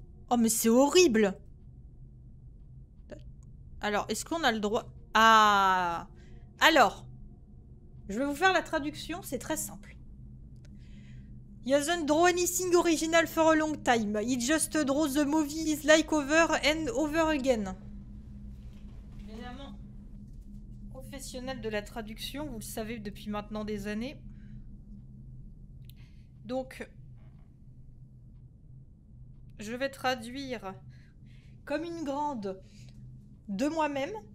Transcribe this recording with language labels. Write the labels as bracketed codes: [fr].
[fr] Oh mais c'est horrible! Alors, est-ce qu'on a le droit... Ah ! Alors, je vais vous faire la traduction, c'est très simple. [en] He doesn't draw anything original for a long time. He just draws the movies like over and over again. [fr] Évidemment, professionnel de la traduction, vous le savez depuis maintenant des années. Donc, je vais traduire comme une grande... De moi-même.